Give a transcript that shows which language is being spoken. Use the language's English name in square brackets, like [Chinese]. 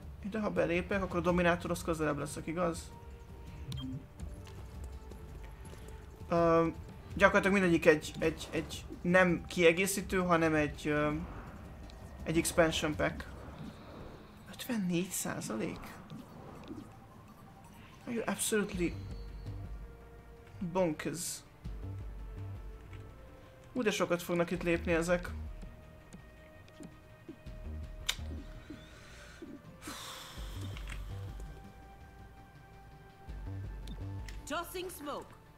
[Hungarian] De ha belépek, akkor a Dominátor az közelebb leszek, igaz? Gyakorlatilag mindegyik egy nem kiegészítő, hanem egy expansion pack. 54%? [English] Are you absolutely bonkers? [Hungarian] Úgy de sokat fognak itt lépni ezek. [English] Tossing smoke.